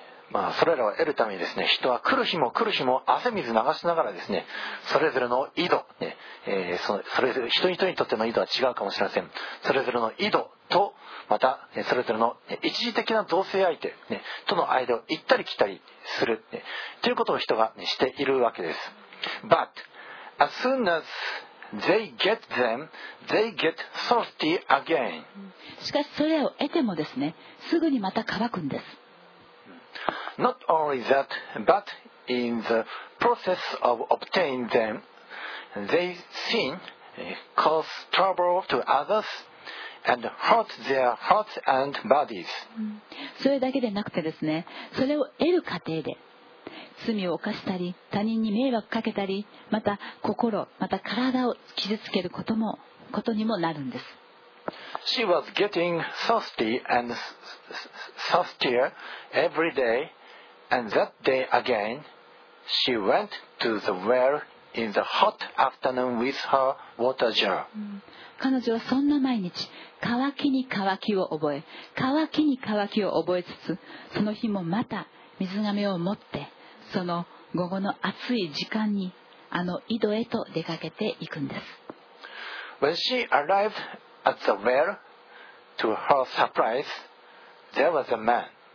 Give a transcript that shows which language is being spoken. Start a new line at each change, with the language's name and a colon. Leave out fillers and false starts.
Japanese: まあ、それらを得るためにですね、人は来る日も来る日も汗水流しながらですね、それぞれの井戸、ね、それぞれ人々にとっての井戸は違うかもしれません。それぞれの井戸とまた、それぞれの、一時的な同性相手、ね、との間を行ったり来たりする、ね、ということを人が、ね、しているわけです。
English: But as soon as they get them, they get thirsty again.
Japanese: しかしそれを得てもですね、すぐにまた乾くんです。
English: Not only that, but in the process of obtaining them, they sin, cause trouble to others, and hurt their hearts and bodies.
Japanese: それだけでなくてですね、それを得る過程で罪を犯したり、他人に迷惑かけたり、また心、また体を傷つけることも、ことにもなるんです。
English: She was getting thirsty and thirstier every day. And that day again, she went to the well in the hot afternoon with her water jar.
Japanese: 彼女はそんな毎日、乾きに乾きを覚え、乾きに乾きを覚えつつ、その日もまた水瓶を持って、その午後の暑い時間に、あの井戸へと出かけていくんです。
English: When she arrived at the well, to her surprise, there was a man.